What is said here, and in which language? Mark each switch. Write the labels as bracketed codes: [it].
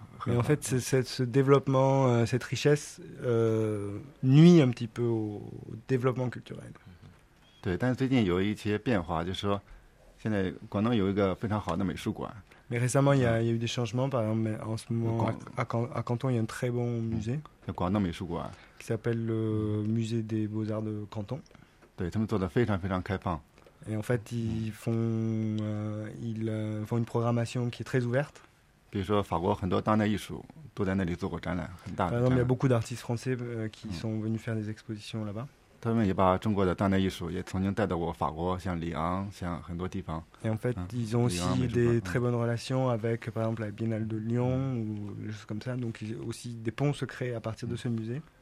[fr] Mais en fait, ce développement, cette richesse nuit un petit peu au développement culturel. [zh] 对,但是最近有一些变化,就是说, 现在广东有一个非常好的美术馆。 [fr] Mais récemment, il y a eu des changements. Par exemple, en ce moment, à Canton, il y a un très bon musée. Le广东美术馆. Qui s'appelle le Musée des Beaux-Arts de Canton. [zh] 对,他们做得非常非常开放. [fr] Et en fait, ils font une programmation qui est très ouverte. [zh] 比如说,法国很多当代艺术都在那里做过展览, 很大的展览. [fr] Par exemple, il y a beaucoup d'artistes français qui sont venus faire des expositions là-bas. [zh] 他们也把中国的当代艺术也曾经带到过法国,像里昂,像很多地方。 [fr] Et en fait, ils ont aussi des très bonnes relations avec, par exemple, la Biennale de Lyon ou des choses comme ça. Donc, aussi des ponts se créent à partir de ce musée.